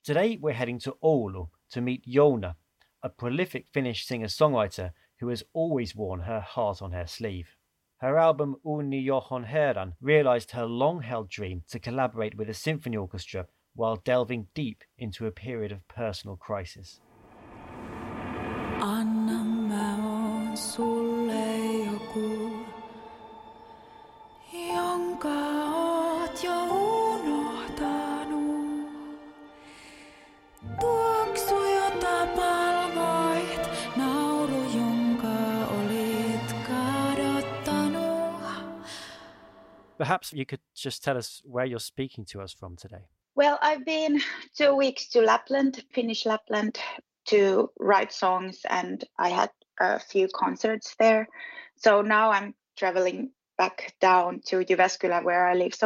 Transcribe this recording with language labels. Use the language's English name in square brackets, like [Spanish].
[English] Today, we're heading to Oulu to meet Jona, a prolific Finnish singer-songwriter who has always worn her heart on her sleeve. Her album Uni Johon Herran realised her long-held dream to collaborate with a symphony orchestra while delving deep into a period of personal crisis. [Finnish] Anna mä oon sulle joku, jonka oot jo unohtanut. Tuoksu, jota palvoit, nauru, jonka olit kadottanut. [English] Perhaps you could just tell us where you're speaking to us from today. Well, I've been 2 weeks to Lapland, Finnish Lapland, to write songs, and I had a few concerts there. So now I'm traveling back down to Jyväskylä, where I live.